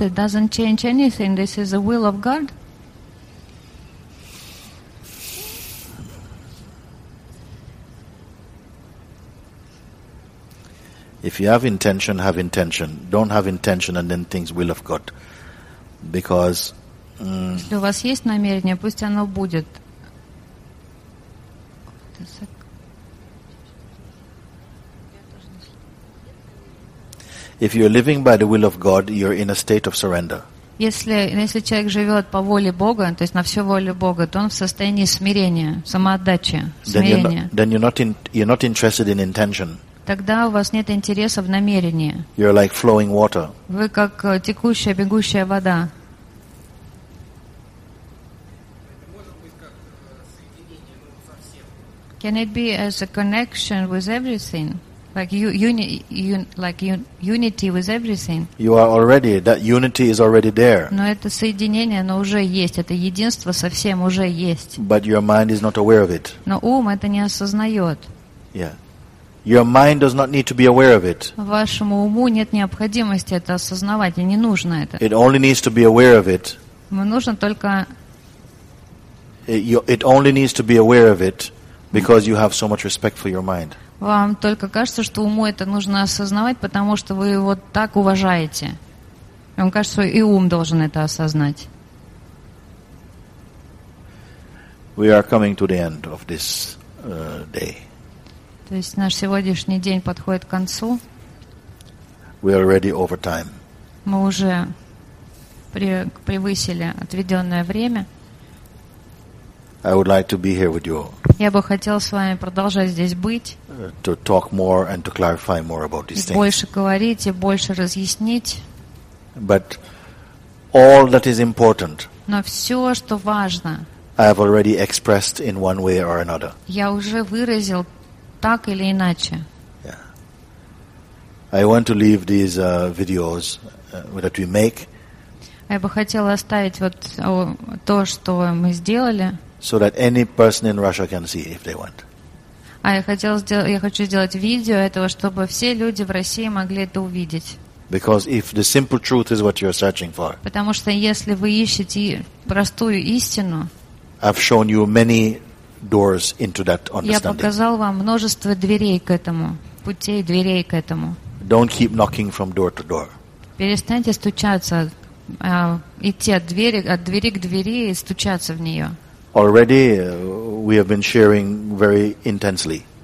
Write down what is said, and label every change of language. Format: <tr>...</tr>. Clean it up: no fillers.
<en>It doesn't change anything. This is the will of God. If you have intention, have intention. Don't have intention and then things will of God. Because</en> <ru>если у вас есть намерение, пусть оно будет.</ru> <en>If you're living by the will of God, you're in a state of surrender.</en> <ru>Если человек живет по воле Бога, то есть на всю волю Бога, то он в состоянии смирения, самоотдачи, смирения.</ru> <en>Then you're not interested in intention.</en> <ru>Тогда у вас нет интереса в намерении.</ru> <en>You're like flowing water.</en> <ru>Вы как текущая, бегущая вода.</ru> <en>Can it be as a connection with everything? Like unity with everything? You are already, that unity is already there.</en> <ru>Но это соединение, оно уже есть. Это единство со всем уже есть.</ru> <en>But your mind is not aware of it.</en> <ru>Но ум это не осознает.</ru> <en>Yeah. Your mind does not need to be aware of it.</en> <ru>Вашему уму нет необходимости это осознавать, и не нужно это.</ru> <en>It only needs to be aware of it.</en> <ru>Нужно только.</ru> <en>It only needs to be aware of it because you have so much respect for your mind.</en> <ru>Вам только кажется, что уму это нужно осознавать, потому что вы его так уважаете. Вам кажется, и ум должен это осознать.</ru> <en>We are coming to the end of this day.</en> <ru>То есть наш сегодняшний день подходит к концу.</ru> <en>We are already over time.</en> <ru>Мы уже превысили отведенное время.</ru> <en>I would like to be here with you.</en> <ru>Я бы хотел с вами продолжать здесь быть.</ru> <en>To talk more and to clarify more about these things.</en> <ru>Больше говорить и больше разъяснить.</ru> <en>But all that is important.</en> <ru>Но все, что важно.</ru> <en>I have already expressed in one way or another.</en> <ru>Я уже выразил. Так или иначе.</ru> <en>Yeah. I want to leave these videos that we make.</en> <ru>Я бы хотела оставить вот то, что мы сделали.</ru> <en>So that any person in Russia can see if they want.</en> <ru>А я хочу сделать видео этого, чтобы все люди в России могли это увидеть.</ru> <en>Because if the simple truth is what you're searching for.</en> <ru>Потому что если вы ищете простую истину.</ru> <en>I've shown you many doors into that understanding.</en> <ru>Я показал вам множество дверей к этому, путей, дверей к этому.</ru> <en>Don't keep knocking from door to door.</en> <ru>Перестаньте стучаться, идти от двери к двери и стучаться в нее.</ru> <en>Already we have been sharing very intensely.</en>